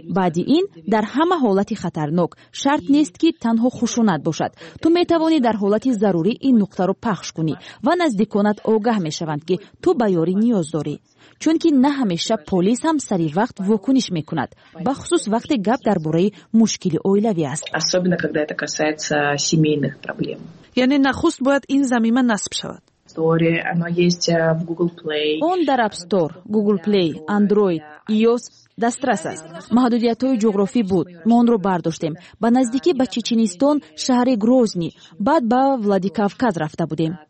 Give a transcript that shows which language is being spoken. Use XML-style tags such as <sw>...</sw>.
<fa>بعد این در همه حالتی خطرناک، شرط نیست که تنها خشونت باشد. تو میتوانی در حالتی ضروری این نقطه را پخش کنی و نزدیکانت آگاه میشوند که تو به یاری نیاز داری. چون که نه همیشه پلیس هم سری وقت واکنش میکند، به خصوص وقتی گپ درباره مشکل اویلوی است.</fa> <ru>особенно когда это касается семейных проблем.</ru> <fa>یعنی نخست باید این زمینه نصب شود. اون در اپ استور، گوگل پلی، اندروید، iOS دسترس است. محدودیت های جغرافی بود. ما اون رو برداشتیم. با نزدیکی به چچنستان، شهر گروزنی، بعد با ولادیکافکاز رفته بودیم.</fa>